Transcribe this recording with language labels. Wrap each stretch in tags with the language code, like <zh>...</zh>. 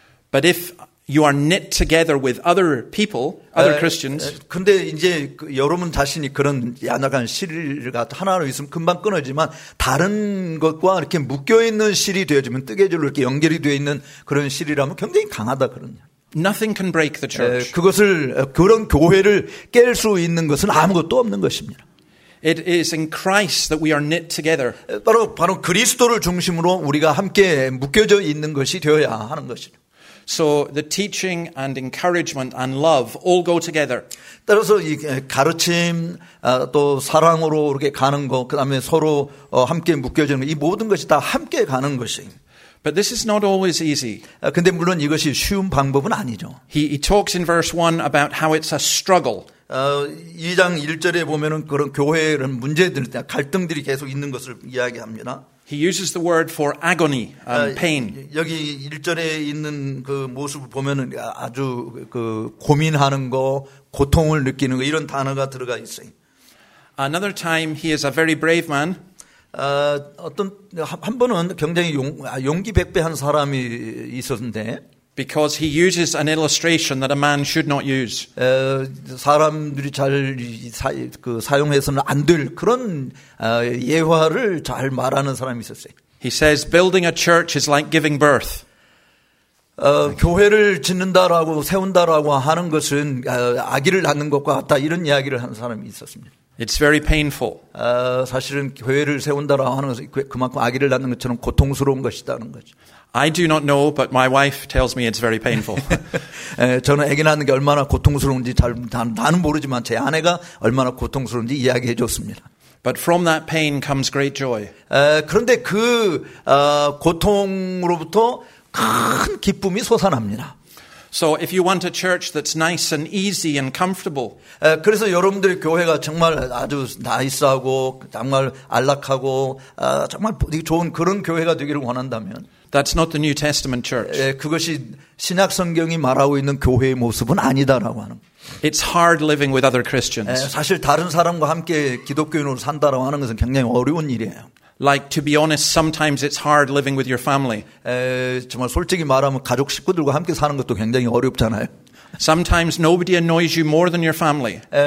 <en>But if you are knit together with other people, other Christians.</en> <ko>근데 이제 여러분 자신이 그런 야나간 실과 하나로 있으면 금방 끊어지지만 다른 것과 이렇게 묶여 있는 실이 되어지면 뜨개질로 이렇게 연결이 되어 있는 그런 실이라면 굉장히 강하다 그런.</ko> <en>Nothing can break the church.</en> <ko>그것을 그런 교회를 깰 수 있는 것은 아무것도 없는 것입니다.</ko> <en>It is in Christ that we are knit together.</en> <ko>바로 그리스도를 중심으로 우리가 함께 묶여져 있는 것이 되어야 하는 것이죠.</ko> <en>So the teaching and encouragement and love all go together.</en> <ko>따라서 이 가르침 또 사랑으로 이렇게 가는 것, 그다음에 서로 함께 묶여지는 것, 이 모든 것이 다 함께 가는 것이.</ko> <en>But this is not always easy.</en> <ko>근데 물론 이것이 쉬운 방법은 아니죠.</ko> <en>He talks in verse 1 about how it's a struggle.</en> <ko>2장 1절에 보면은 그런 교회는 문제들, 갈등들이 계속 있는 것을 이야기합니다.</ko> <en>He uses the word for agony and pain.</en> <ko>여기 1절에 있는 그 모습을 보면은 아주 그 고민하는 거, 고통을 느끼는 거 이런 단어가 들어가 있어요.</ko> <en>Another time he is a very brave man.</en> <ko>어떤 한 번은 굉장히 용기백배한 사람이 있었는데</ko> <en>because he uses an illustration that a man should not use.</en> <ko>사람들이 잘 사용해서는 안 될 그런 예화를 잘 말하는 사람이 있었어요.</ko> <en>He says building a church is like giving birth.</en> <ko>교회를 짓는다라고 세운다라고 하는 것은 아기를 낳는 것과 같다 이런 이야기를 하는 사람이 있었습니다.</ko> <en>It's very painful.</en> <ko>사실은 교회를 세운다라고 하는 것은 그만큼 아기를 낳는 것처럼 고통스러운 것이다는 거죠.</ko> <en>I do not know, but my wife tells me it's very painful.</en> <ko>저는 아기 낳는 게 얼마나 고통스러운지 나는 모르지만 제 아내가 얼마나 고통스러운지 이야기해 줬습니다.</ko> <en>But from that pain comes great joy.</en> <ko>그런데 그 고통으로부터 큰 기쁨이 솟아납니다.</ko> <en>So if you want a church that's nice and easy and comfortable.</en> <ko>그래서 여러분들의 교회가 정말 아주 나이스하고 정말 안락하고 정말 좋은 그런 교회가 되기를 원한다면</ko> <en>That's not the New Testament church.</en> <ko>그것이 신약 성경이 말하고 있는 교회의 모습은 아니다라고 하는</ko> <en>It's hard living with other Christians.</en> <ko>사실 다른 사람과 함께 기독교인으로 산다라고 하는 것은 굉장히 어려운 일이에요.</ko> <en>Like to be honest, sometimes it's hard living with your family.</en> <ko>정말 솔직히 말하면 가족 식구들과 함께 사는 것도 굉장히 어렵잖아요.</ko> <en>Sometimes nobody annoys you more than your family.</en>